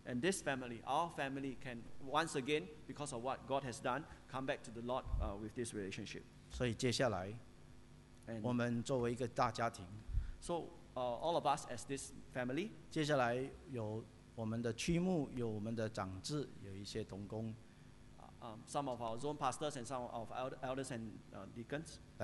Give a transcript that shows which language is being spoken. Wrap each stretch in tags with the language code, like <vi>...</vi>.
<en>And this family, our family, can once again, because of what God has done, come back to the Lord with this relationship.</en> <zh>所以接下来， and 我们作为一个大家庭，</zh> <en>so all of us as this family,</en> <zh>接下来有 我们的区牧有我们的长子，有一些同工，</zh> <en>some of our zone pastors and some of elders and deacons</en>